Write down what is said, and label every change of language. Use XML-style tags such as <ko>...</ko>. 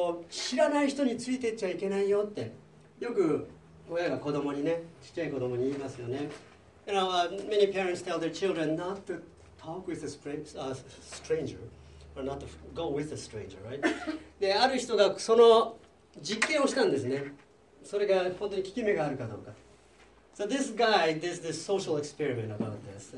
<ja>知らない人についてっちゃいけないよってよく親が子供にね、ちっちゃい子供に言いますよね。</ja> <en>You know, many parents tell their children not to talk with a stranger or not to go with a stranger, right?</en> <ja>で、ある人がその実験をしたんですね。それが本当に効き目があるかどうか。</ja> <en>So this guy did this social experiment about this.</en>